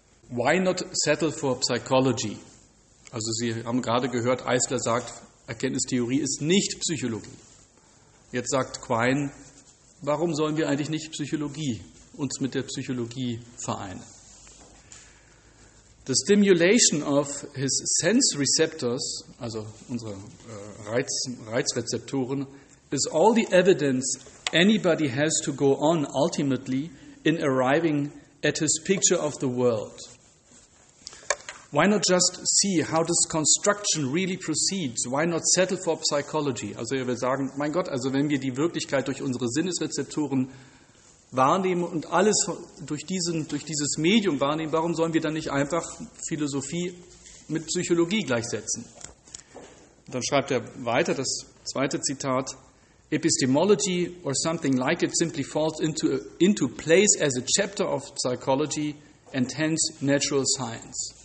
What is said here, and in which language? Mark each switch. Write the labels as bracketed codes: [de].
[en] Why not settle for psychology? [de] Also Sie haben gerade gehört, Eisler sagt, Erkenntnistheorie ist nicht Psychologie. Jetzt sagt Quine, warum sollen wir eigentlich nicht Psychologie uns mit der Psychologie vereinen? [en] The stimulation of his sense receptors, [de] also unsere Reizrezeptoren, [en] is all the evidence anybody has to go on ultimately in arriving at his picture of the world. Why not just see how this construction really proceeds? Why not settle for psychology? [de] Also er will sagen, mein Gott, also wenn wir die Wirklichkeit durch unsere Sinnesrezeptoren wahrnehmen und alles durch dieses Medium wahrnehmen, warum sollen wir dann nicht einfach Philosophie mit Psychologie gleichsetzen? Dann schreibt er weiter, das zweite Zitat, [en] Epistemology or something like it simply falls into place as a chapter of psychology and hence natural science.